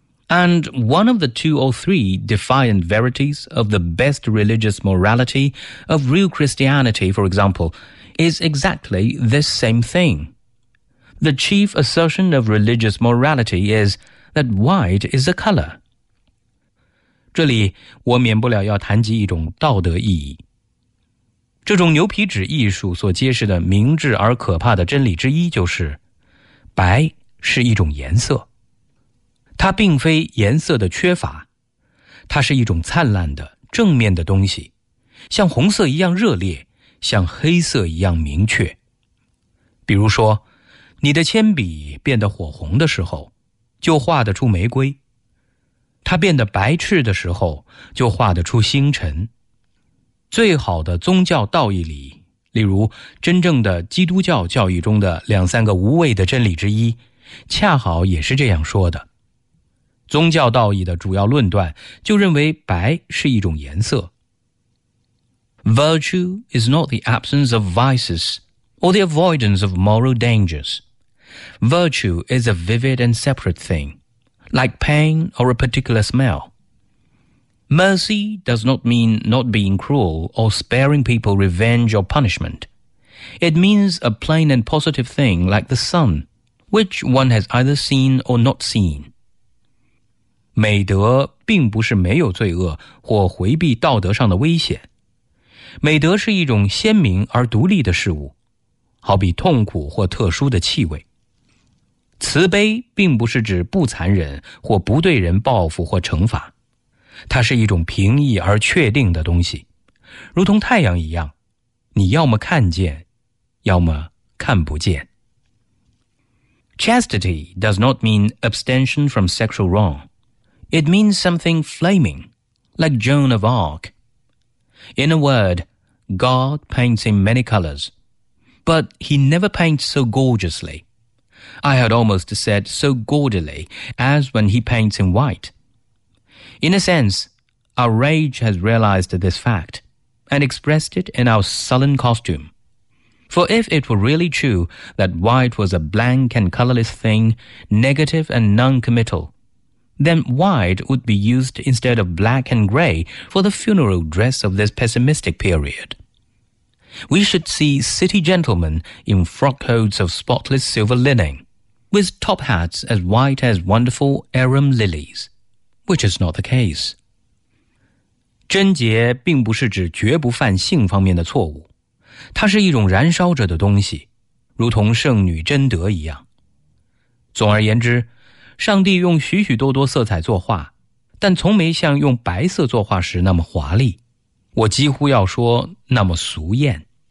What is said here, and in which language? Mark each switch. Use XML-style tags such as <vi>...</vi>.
<en>And one of the two or three defiant verities of the best religious morality of real Christianity, for example, is exactly this same thing. The chief assertion of religious morality is that white is a color.</en> <zh>这里我免不了要谈及一种道德意义。这种牛皮纸艺术所揭示的明智而可怕的真理之一就是白是一种颜色，它并非颜色的缺乏，它是一种灿烂的正面的东西，像红色一样热烈，像黑色一样明确。比如说，你的铅笔变得火红的时候，就画得出玫瑰；它变得白炽的时候，就画得出星辰。最好的宗教道义里，例如真正的基督教教义中的两三个无畏的真理之一，恰好也是这样说的。宗教道义的主要论断就认为白是一种颜色。</zh> <en>Virtue is not the absence of vices or the avoidance of moral dangers. Virtue is a vivid and separate thing, like pain or a particular smell. Mercy does not mean not being cruel or sparing people revenge or punishment. It means a plain and positive thing like the sun,which one has either seen or not seen.</en> <zh>美德并不是没有罪恶或回避道德上的危险。美德是一种鲜明而独立的事物，好比痛苦或特殊的气味。慈悲并不是指不残忍或不对人报复或惩罚。它是一种平易而确定的东西，如同太阳一样，你要么看见，要么看不见。</zh> <en>Chastity does not mean abstention from sexual wrong. It means something flaming, like Joan of Arc. In a word, God paints in many colors, but he never paints so gorgeously. I had almost said so gaudily as when he paints in white. In a sense, our rage has realized this fact and expressed it in our sullen costume. For if it were really true that white was a blank and colorless thing, negative and non-committal, then white would be used instead of black and gray for the funeral dress of this pessimistic period. We should see city gentlemen in frock coats of spotless silver linen, with top hats as white as wonderful arum lilies, which is not the case.</en> <zh>贞洁并不是指绝不犯性方面的错误。它是一种燃烧着的东西，如同圣女贞德一样。总而言之，上帝用许许多多色彩作画，但从没像用白色作画时那么华丽，我几乎要说那么俗艳。</zh>